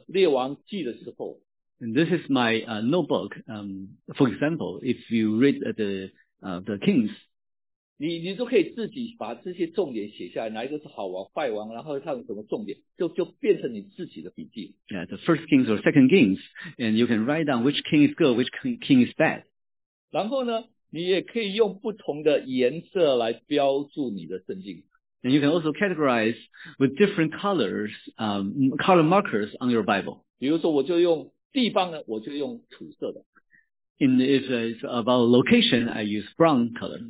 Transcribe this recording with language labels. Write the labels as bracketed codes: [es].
[zh] 那还有一个就是我的自己的笔记本我没有带过来，比如说你在读到这个列王记的时候。 [en] And this is my notebook. For example, if you read the Kings, [zh] 你就可以自己把这些重点写下来，哪一个是好王、坏王，然后他有什么重点，就变成你自己的笔记。 [en] Yeah, the first kings or second kings, and you can write down which king is good, which king is bad. [zh] 然后呢，你也可以用不同的颜色来标注你的圣经。 [en] And you can also categorize with different colors, color markers on your Bible. [zh] 比如说我就用地方呢，我就用土色的。 [en] In if it's about location, I use brown color.